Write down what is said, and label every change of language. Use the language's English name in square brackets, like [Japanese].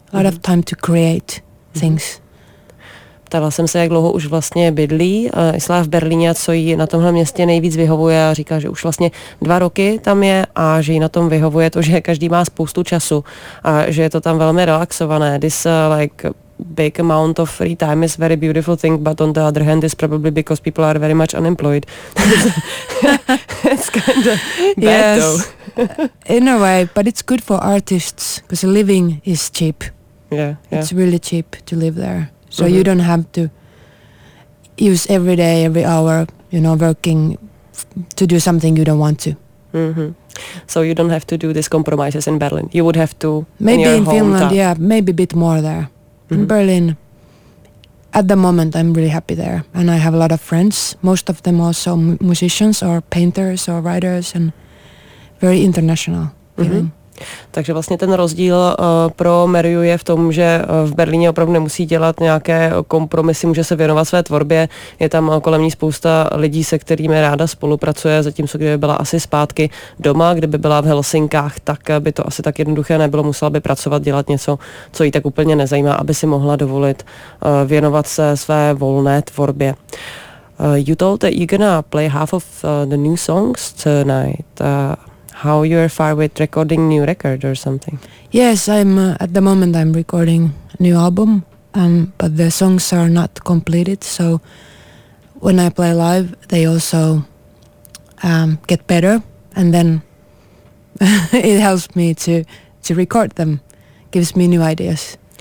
[English] A lot of time to create things. [Czech] Ptala jsem se, jak dlouho už vlastně bydlí Isla v Berlíně, co jí na tomhle městě nejvíc vyhovuje, a říká, že už vlastně 2 roky tam je a že jí na tom vyhovuje to, že každý má spoustu času a že je to tam velmi relaxované. [English] Big amount of free time is very beautiful thing, but on the other hand is probably because people are very much unemployed. It's kind of bad, yes, though. In a way, but it's good for artists because living is cheap. Yeah. It's really cheap to live there. So mm-hmm. you don't have to use every day, every hour, you know, working to do something you don't want to. So you don't have to do these compromises in Berlin. You would have to maybe in hometown. Finland, yeah, maybe a bit more there. In Berlin, at the moment, I'm really happy there, and I have a lot of friends, most of them also musicians or painters or writers, and very international feeling. Mm-hmm. [Czech] Takže vlastně ten rozdíl pro Mariu je v tom, že v Berlíně opravdu nemusí dělat nějaké kompromisy, může se věnovat své tvorbě, je tam kolem ní spousta lidí, se kterými ráda spolupracuje, zatímco kdyby byla asi zpátky doma, kdyby byla v Helsinkách, tak by to asi tak jednoduché nebylo, musela by pracovat, dělat něco, co jí tak úplně nezajímá, aby si mohla dovolit věnovat se své volné tvorbě. [English] You told that you're gonna play half of the new songs tonight. How you are far with recording new record or something? Yes, I'm at the moment I'm recording a new album, but the songs are not completed, so when I play live they also get better, and then it helps me to record them, gives me new ideas.